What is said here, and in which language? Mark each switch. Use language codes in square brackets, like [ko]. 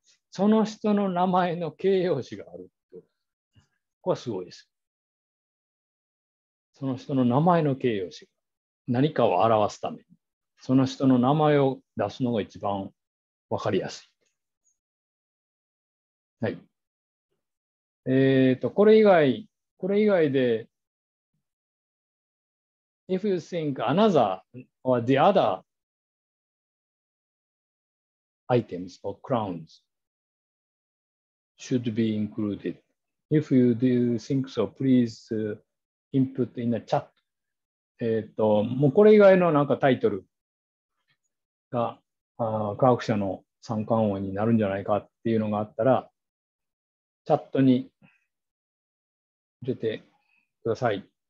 [ja] その人の名前の形容詞がある。ここはすごいです。その人の名前の形容詞、何かを表すために、その人の名前を出すのが一番わかりやすい。はい。これ以外で、 [en] If you think another or the other items or crowns should be included. If you do think so, please input in the chat. [ja] もうこれ以外のなんかタイトルが科学者の三冠王になるんじゃないかっていうのがあったら、チャットに入れてください。